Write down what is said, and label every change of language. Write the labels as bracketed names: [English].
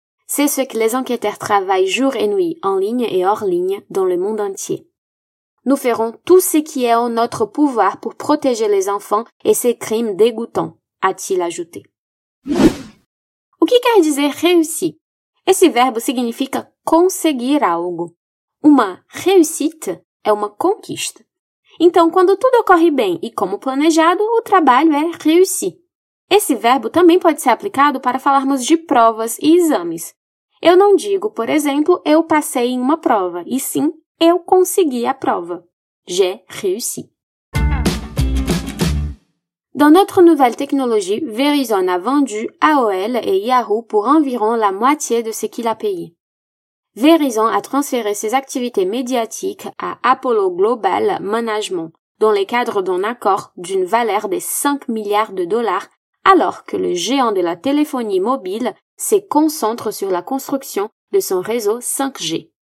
[French] C'est ce que les enquêteurs travaillent jour et nuit, en ligne et hors ligne, dans le monde entier. Nous ferons tout ce qui est en notre pouvoir pour protéger les enfants et ces crimes dégoûtants, a-t-il ajouté. [Portuguese] O que quer dizer réussi? Esse verbo significa conseguir algo. Uma réussite é uma conquista. Então, quando tudo ocorre bem e como planejado, o trabalho é réussi. Esse verbo também pode ser aplicado para falarmos de provas e exames. Eu não digo, por exemplo, eu passei em uma prova, e sim, eu consegui a prova. [French] J'ai réussi. Dans notre nouvelle technologie, Verizon a vendu AOL et Yahoo pour environ la moitié de ce qu'il a payé. Verizon a transféré ses activités médiatiques à Apollo Global Management, dans le cadre d'un accord d'une valeur de 5 milliards de dollars, alors que le géant de la téléphonie mobile se concentre sur la construction de son réseau 5G.